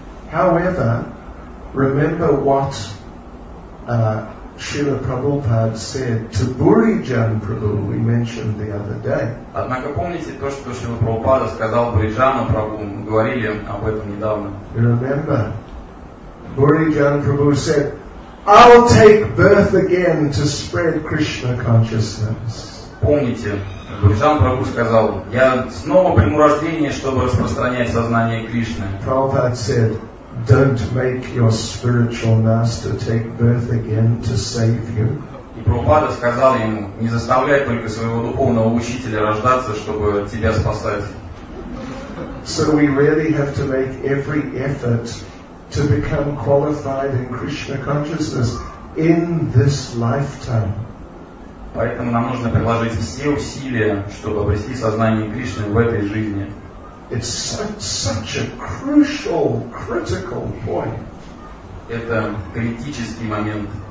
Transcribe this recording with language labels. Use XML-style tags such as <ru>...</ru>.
<en>However, remember what Srila Prabhupada said to Burijan Prabhu, we mentioned the other day.</en> <ru>Однако помните то, что Шрила Прабхупада сказал Буриджану Прабху, мы говорили об этом недавно.</ru> <en>You remember? Burijan Prabhu said, I'll take birth again to spread Krishna consciousness.</en> <ru>Помните, Буриджан Прабху сказал, я снова приму рождение, чтобы распространять сознание Кришны.</ru> <en>Prabhupada said, don't make your spiritual master take birth again to save you.</en> <ru>И Прабхупада сказал ему, не заставляй только своего духовного учителя рождаться, чтобы тебя спасать.</ru> <en>So we really have to make every effort to become qualified in Krishna consciousness in this lifetime.</en> <ru>Поэтому нам нужно приложить все усилия, чтобы обрести сознание Кришны в этой жизни.</ru> <en>It's such a crucial, critical point.</en> <ru>Это критический момент.</ru>